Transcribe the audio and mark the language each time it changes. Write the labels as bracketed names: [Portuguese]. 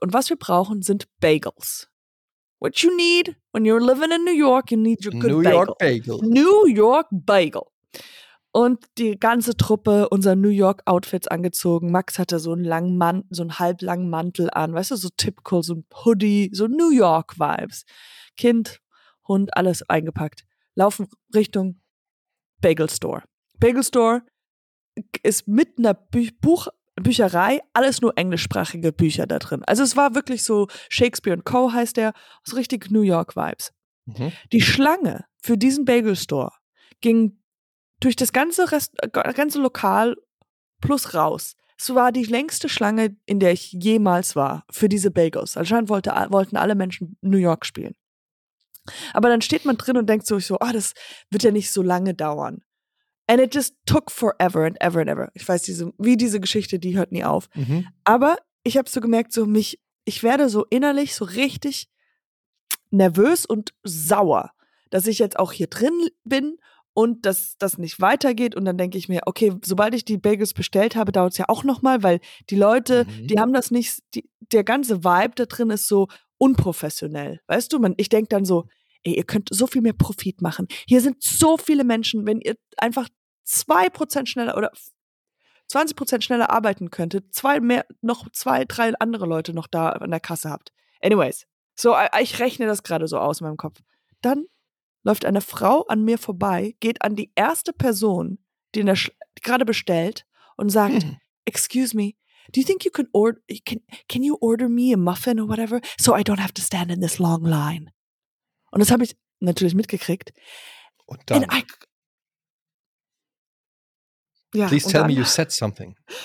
[German] Und was wir brauchen, sind Bagels. [English] What you need when you're living in New York, you need your good New bagel. York bagel. New York Bagel. [German] Und die ganze Truppe, unser New York Outfits angezogen. Max hatte so einen langen Mantel, so einen halblangen Mantel an. Weißt du, so typical, so ein Hoodie, so New York Vibes. Kind, Hund, alles eingepackt. Laufen Richtung Bagel Store. ist mit einer Bücherei alles nur englischsprachige Bücher da drin. Also es war wirklich so Shakespeare & Co. heißt der, so richtig New York Vibes. Mhm. Die Schlange für diesen Bagel Store ging durch das ganze ganze Lokal plus raus. Es war die längste Schlange, in der ich jemals war, für diese Bagels. Anscheinend wollten alle Menschen New York spielen. Aber dann steht man drin und denkt so, oh, das wird ja nicht so lange dauern. [English] And it just took forever and ever and ever. [German] Ich weiß, diese Geschichte, die hört nie auf. Mhm. Aber ich habe so gemerkt, ich werde so innerlich so richtig nervös und sauer, dass ich jetzt auch hier drin bin und dass das nicht weitergeht. Und dann denke ich mir, okay, sobald ich die Bagels bestellt habe, dauert es ja auch nochmal, weil die Leute, die haben das nicht, der ganze Vibe da drin ist so unprofessionell. Weißt du, ich denke dann so, ey, ihr könnt so viel mehr Profit machen. Hier sind so viele Menschen, wenn ihr einfach 2% schneller oder 20% schneller arbeiten könntet, zwei, drei andere Leute noch da an der Kasse habt. Anyways, so, ich rechne das gerade so aus in meinem Kopf. Dann läuft eine Frau an mir vorbei, geht an die erste Person, die gerade bestellt und sagt, [English] excuse me, do you think you can order, can you order me a muffin or whatever, so I don't have to stand in this long line? [German] Und das habe ich natürlich mitgekriegt. Und dann? [English] Please tell me you said something.